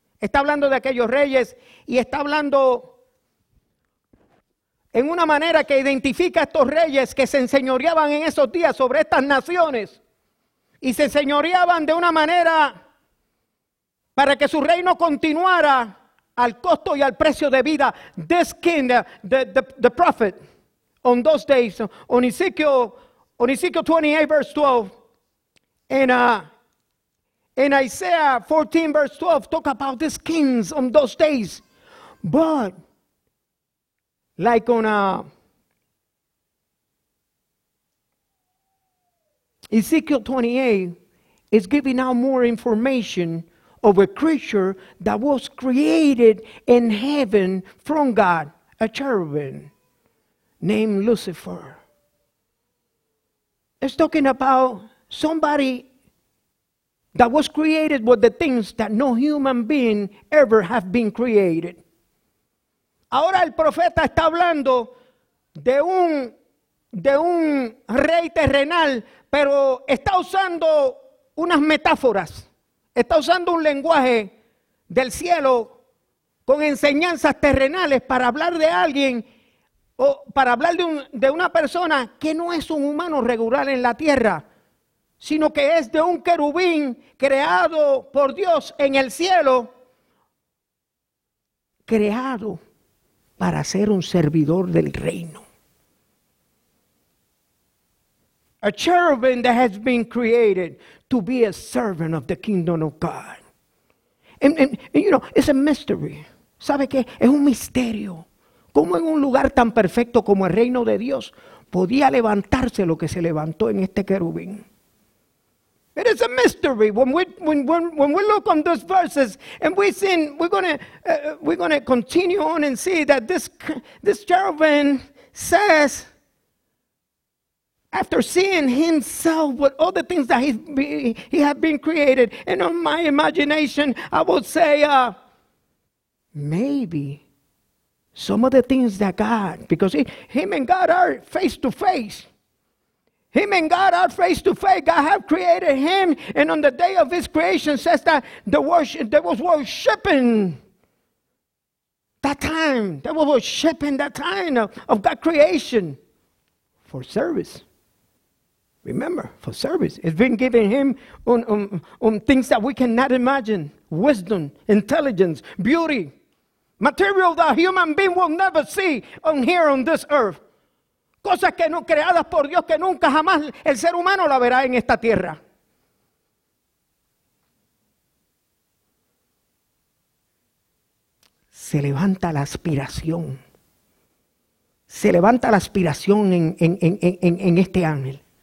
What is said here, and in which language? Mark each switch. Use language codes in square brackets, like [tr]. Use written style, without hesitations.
[es] Está hablando de aquellos reyes y está hablando en una manera que identifica a estos reyes que se enseñoreaban en esos días sobre estas naciones. Y se enseñoreaban de una manera para que su reino continuara al costo y al precio de vida. [en] This king, the prophet, on those days, on Ezekiel 28, verse 12, and Isaiah 14, verse 12, talk about these kings on those days. But, like on Ezekiel 28 is giving out more information of a creature that was created in heaven from God, a cherubim named Lucifer. It's talking about somebody that was created with the things that no human being ever have been created. [es] Ahora el profeta está hablando de un rey terrenal. Pero está usando unas metáforas, está usando un lenguaje del cielo con enseñanzas terrenales para hablar de alguien o para hablar de una persona que no es un humano regular en la tierra, sino que es de un querubín creado por Dios en el cielo creado para ser un servidor del reino. [en] A cherubim that has been created to be a servant of the kingdom of God. And you know, it's a mystery. [es] ¿Sabe qué? Es un misterio. ¿Cómo en un lugar tan perfecto como el reino de Dios podía levantarse lo que se levantó en este querubín? [en] It is a mystery. When we look on those verses and we see, we're gonna continue on and see that this cherubim says, after seeing himself with all the things that he had been created, and on my imagination, I would say, maybe some of the things that God, because him and God are face to face. Him and God are face to face. God have created him, and on the day of his creation says that they was worshiping. That time, they were worshiping that time of God creation for service. Remember, for service. It's been given him things that we cannot imagine. Wisdom, intelligence, beauty. Material that a human being will never see on here on this earth. [es] Cosas que no creadas por Dios que nunca jamás el ser humano la verá en esta tierra. Se levanta la aspiración. Se levanta la aspiración en este ángel.